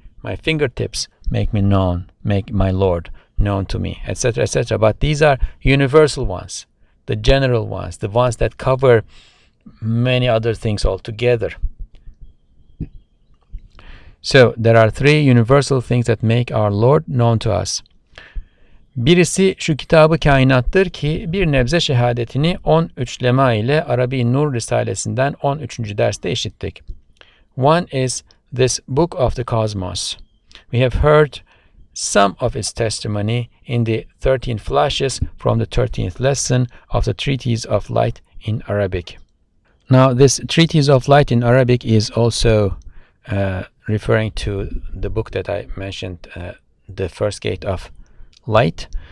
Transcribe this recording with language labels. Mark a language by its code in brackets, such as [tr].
[en] My fingertips make me known, make my Lord known to me, etc., etc. But these are universal ones, the general ones, the ones that cover many other things altogether. So there are three universal things that make our Lord known to us. [tr] Birisi şu kitabı kainattır ki bir nebze şehadetini 13 lema ile Arabi Nur Risalesinden 13. derste işittik. [en] One is this book of the cosmos. We have heard some of its testimony in the 13 flashes from the 13th lesson of the Treatise of Light in Arabic. Now this Treatise of Light in Arabic is also referring to the book that I mentioned, The First Gate of Light.